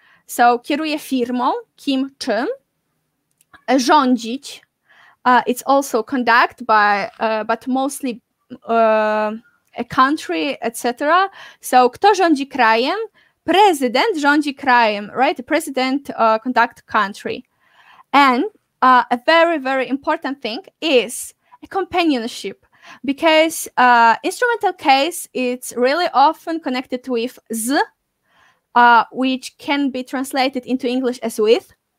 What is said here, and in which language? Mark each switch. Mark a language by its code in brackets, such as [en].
[pl] So kieruję firmą, kim, czym. Rządzić. [en] It's also conduct by, but mostly a country, etc. [pl] So kto rządzi krajem? Prezydent rządzi krajem, right? [en] The president conduct country. And a very, very important thing is a companionship. Because instrumental case, it's really often connected with z, which can be translated into English as with.